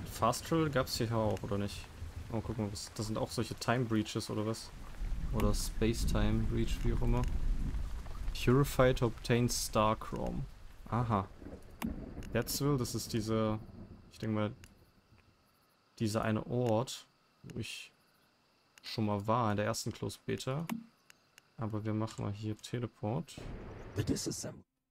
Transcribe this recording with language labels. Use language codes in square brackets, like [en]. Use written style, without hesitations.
[de] Fast Travel gab's hier auch, oder nicht? Mal gucken, was, das sind auch solche Time Breaches, oder was? Oder Space Time Breach, wie auch immer. [en] Purified obtains Star Chrome. Aha. [de] Deadsville, das ist diese. Ich denke mal. Dieser eine Ort, wo ich schon mal war, in der ersten Close Beta. Aber wir machen mal hier Teleport. [en] The Disassembly.